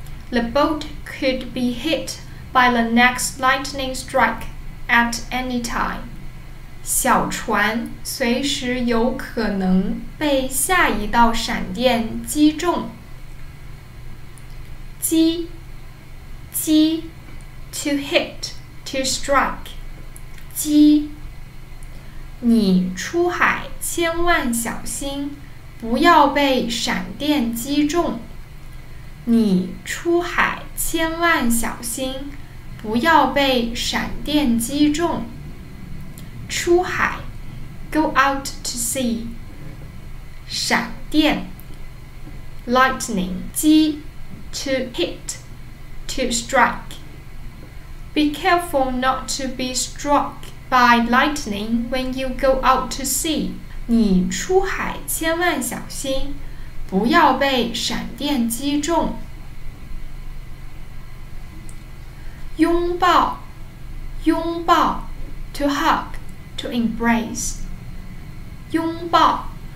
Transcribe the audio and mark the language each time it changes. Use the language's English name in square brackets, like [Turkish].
[English] The boat could be hit by the next lightning strike at any time. [Chinese] 小船随时有可能被下一道闪电击中。 [English] 击 to hit, to strike. [Chinese] 击你出海千万小心，不要被闪电击中。你出海千万小心，不要被闪电击中。出海 [English] go out to see. 闪电 lightning, 击 to hit, to strike. Be careful not to be struck by lightning when you go out to sea. [Chinese] 你出海千万小心，不要被闪电击中。拥抱，拥抱 ， [English] to hug, to embrace. [Chinese] 拥抱，